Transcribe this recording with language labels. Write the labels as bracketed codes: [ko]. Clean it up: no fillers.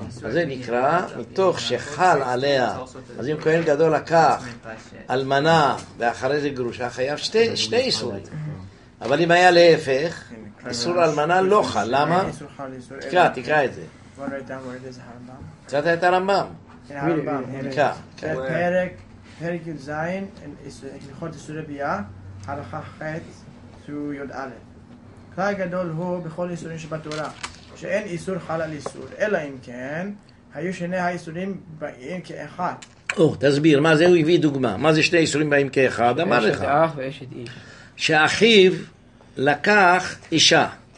[he] אז זה נקרא, מתוך שחל עליה, אז אם כהן גדול לקח אלמנה ואחרי זה גרושה, חייב שני איסורים. אבל אם היה להפך, איסור אלמנה לא חל. למה? תקרא את זה. [en] What is the [he] Rambam? קראת את הרמב״ם. [en] in Rambam, Perek Yud Zayin, in Hilchot Yisurei Biya, Halacha Chet through Yod Aleph. [he] כלל גדול הוא בכל איסורים שבתורה, שאין איסור חל על איסור, אלא אם כן, היו שני האיסורים באים כאחד. תסביר, מה זה? הוא הביא דוגמה. מה זה שני איסורים באים כאחד? אמר לך. ויש את אח ויש את איש. שאחיו לקח אישה.